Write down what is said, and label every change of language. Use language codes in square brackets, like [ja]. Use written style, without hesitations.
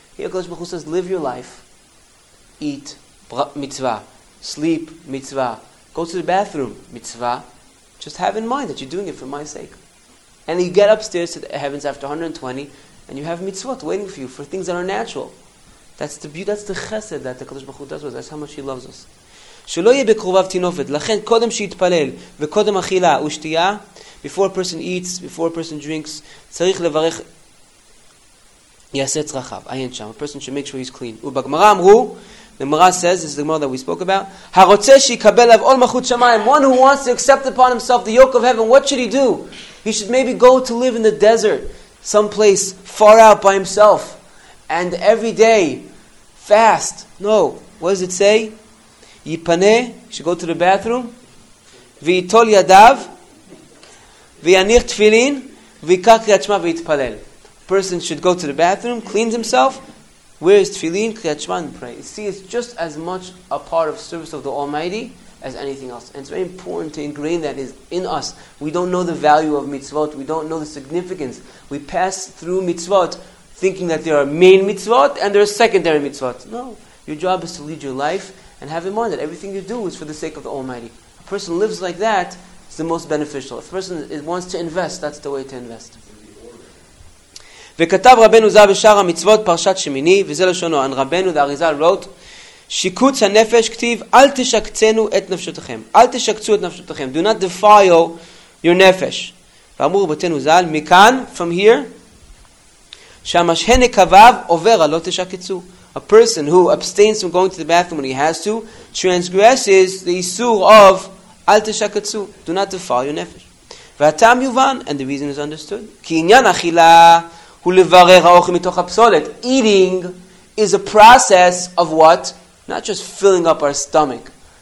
[en] Here, HaKadosh Baruch Hu says, live your life, eat mitzvah, sleep mitzvah, go to the bathroom mitzvah. Just have in mind that you're doing it for my sake, and you get upstairs to the heavens after 120, and you have mitzvot waiting for you for things that are natural. That's the beauty. That's the chesed that the HaKadosh Baruch Hu does with us. That's how much He loves us. [he] שלא יהיה בקרוביו תינופת, לכן קודם שיתפלל וקודם אכילה ושתייה, [en] before a person eats, before a person drinks, [he] צריך לברך יעשה צרכיו. עיין שם, [en] a person should make sure he's clean. [he] ובגמרא אמרו, [en] the Gemara says, this is the Gemara that we spoke about, [he] הרוצה שיקבל עליו עול מלכות שמיים, [en] one who wants to accept upon himself the yoke of heaven, what should he do? He should maybe go to live in the desert, some place far out by himself, and every day, fast. No, what does it say? [he] יפנה, שגו [en] to the bathroom, [he] ויטול ידיו, ויניח תפילין, ויקח קריאת שמע ויתפלל. [en] Person should go to the bathroom, cleans himself, wear his tefillin, קריאת שמע, and pray. See, it's just as much a part of service of the Almighty as anything else. And it's very important to ingrain that is in us. We don't know the value of mitzvot. We don't know the significance. We pass through mitzvot thinking that there are main mitzvot and there are secondary mitzvot. No, your job is to lead your life and have in mind that everything you do is for the sake of the Almighty. A person lives like that, it's the most beneficial. If a person wants to invest, that's the way to invest. [he] וכתב רבנו זה בשאר המצוות פרשת שמיני, וזה לשונו, [en] and [he] רבנו [en] the Arizal wrote, [he] שיקוץ הנפש כתיב, אל תשקצנו את נפשותכם. אל תשקצו את נפשותכם. [en] Do not defile your נפש. [he] ואמרו רבותינו זה, מכאן, [en] from here, [he] שהמשהן נקביו עובר הלא תשקצו. [en] A person who abstains from going to the bathroom when he has to transgresses the isur of al teshakatsu, do not defile your nefesh. [he] V'atam yuvan, [en] and the reason is understood. [he] Ki inyan achila hu levarer ha'ochi mitoch ha'psolet. [en] Eating is a process of what? Not just filling up our stomach.